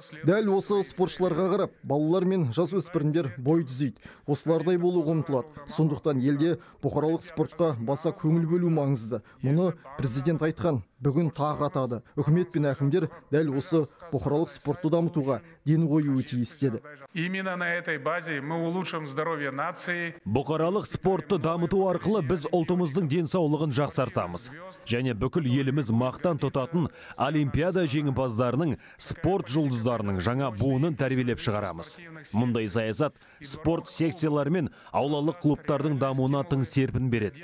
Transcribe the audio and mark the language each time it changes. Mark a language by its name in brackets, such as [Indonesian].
[Kazakh] Дәл осы спортшыларға қарап, балалар мен жасөспірімдер бой түзейді. Осылардай болуға ұмтылады. Сондықтан елде бұқаралық спортқа баса көңіл бөлу маңызды. Мұны президент айтқан, бүгін тағы атады. Үкімет пен әкімдер дәл осы бұқаралық спортты дамытуға ден қоюы тиіс деді. [Russian] Именно на этой базе мы улучшим здоровье нации. [Kazakh] Бұқаралық спортты дамыту арқылы біз ұлтымыздың денсаулығын жақсартамыз. Және бүкіл еліміз мақтан тұтатын олимпиада жеңімпаздарының, спорт жұлдыздарының жаңа буынын тәрбиелеп шығарамыз. Мұндай саясат спорт секциялары мен аулалық клубтардың дамуына тың серпін береді.